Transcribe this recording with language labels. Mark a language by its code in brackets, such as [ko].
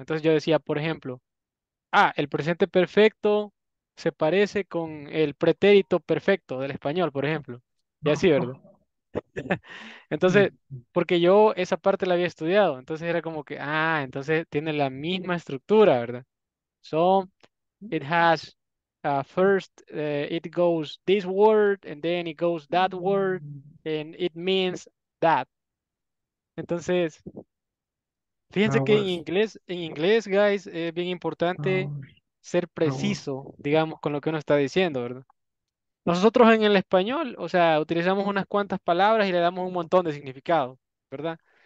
[es] Entonces yo decía, por ejemplo, el presente perfecto se parece con el pretérito perfecto del español, por ejemplo. Y así, ¿verdad? Entonces, porque yo esa parte la había estudiado, entonces era como que, entonces tiene la misma estructura, ¿verdad? [en] So, it has, first, it goes this word, and then it goes that word. And it means that. [es] Entonces, fíjense que en inglés, guys, es bien importante ser preciso, digamos, con lo que uno está diciendo, ¿verdad? Nosotros en el español, o sea, utilizamos unas cuantas palabras y le damos un montón de significado, ¿verdad?